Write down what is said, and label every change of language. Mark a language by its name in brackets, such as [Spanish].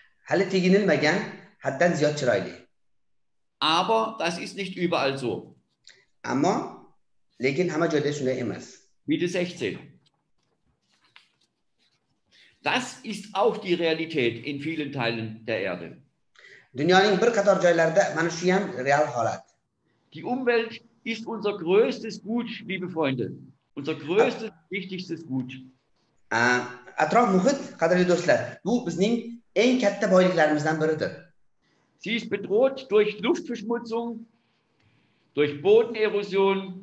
[Uzbek] Hali teginilmagan, haddan ziyod chiroyli. [German] Aber das ist nicht überall so. [Uzbek] Ammo lekin hamma joyda shunday emas. [German] Bitte 16. Das ist auch die Realität in vielen Teilen der Erde. [Uzbek] Dünyanın bir qator joylarida mana shu ham real holat. [German] Die Umwelt ist unser größtes Gut, liebe Freunde. Unser größtes, wichtigstes Gut. [Uzbek] Atrof-muhit, qadrli do'stlar, bu bizning eng katta boyliklarimizdan biridir. [German] Sie ist bedroht durch Luftverschmutzung, durch Bodenerosion.